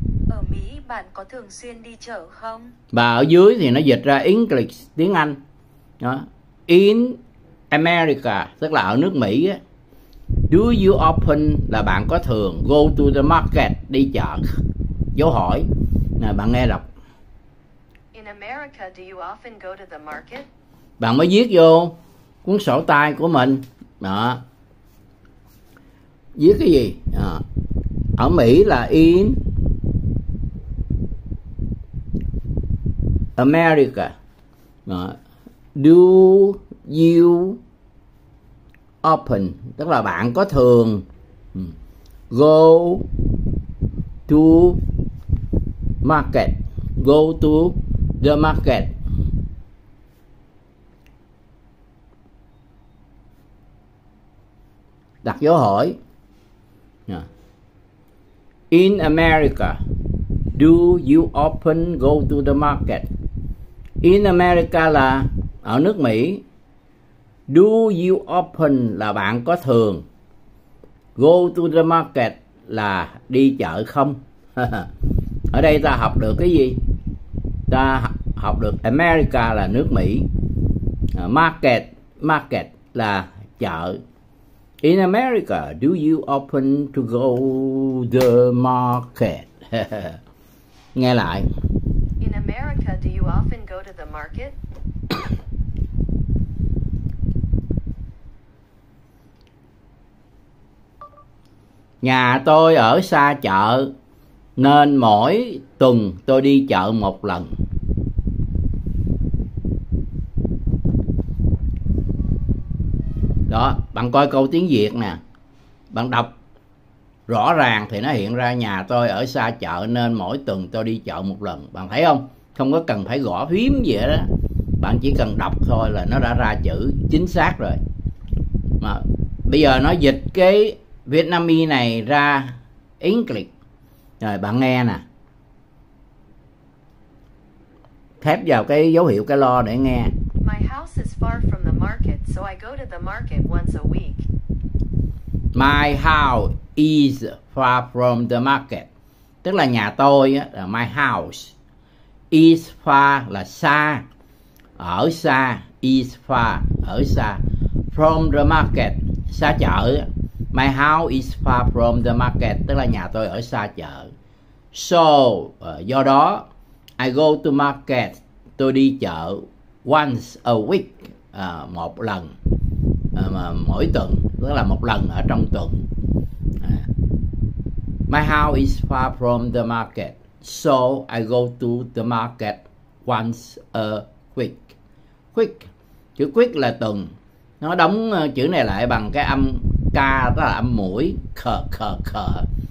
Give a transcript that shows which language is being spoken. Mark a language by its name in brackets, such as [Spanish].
[Vietnamese] Ở Mỹ bạn có thường xuyên đi chợ không? Và ở dưới thì nó dịch ra English, tiếng Anh. Đó. In America, tức là ở nước Mỹ á, [English] do you often, [Vietnamese] là bạn có thường, [English] go to the market, [Vietnamese] đi chợ, dấu hỏi. Nè, bạn nghe đọc. [English] In America, do you often go to the market? [Vietnamese] Bạn mới viết vô cuốn sổ tay của mình. Đó. Viết cái gì? Đó. Ở Mỹ là in America. Đó. [English] Do you open, [Vietnamese] tức là bạn có thường [English] go to market, go to the market. [Vietnamese] Đặt dấu hỏi. [English] In America, do you often go to the market? [Vietnamese] In America là ở nước Mỹ. [English] Do you often [Vietnamese] là bạn có thường. [English] Go to the market [Vietnamese] là đi chợ không? Ở đây ta học được cái gì? Ta học được America là nước Mỹ. Market, market là chợ. [English] In America, do you often to go the market? [Vietnamese] Nghe lại. [English] In America, do you often go to the market? [Vietnamese] Nhà tôi ở xa chợ nên mỗi tuần tôi đi chợ một lần. Đó, bạn coi câu tiếng Việt nè. Bạn đọc rõ ràng thì nó hiện ra nhà tôi ở xa chợ nên mỗi tuần tôi đi chợ một lần. Bạn thấy không? Không có cần phải gõ phím gì hết đó. Bạn chỉ cần đọc thôi là nó đã ra chữ chính xác rồi. Mà bây giờ nó dịch cái Vietnamese này ra English. Rồi bạn nghe nè. Thép vào cái dấu hiệu cái lo để nghe. [English] My house is far from the market, so I go to the market once a week. My house is far from the market. [Vietnamese] Tức là nhà tôi á, là my house. Is far là xa. Ở xa, is far, ở xa. [English] From the market, [Vietnamese] xa chợ. [English] My house is far from the market, [Vietnamese] tức là nhà tôi ở xa chợ. So, do đó, [English] I go to market, [Vietnamese] tôi đi chợ [English] once a week, [Vietnamese] một lần, mỗi tuần, tức là một lần ở trong tuần. [English] My house is far from the market, so I go to the market once a week. [Vietnamese] Quick, chữ quick là tuần, nó đóng chữ này lại bằng cái âm K, tức là âm mũi, khờ khờ khờ.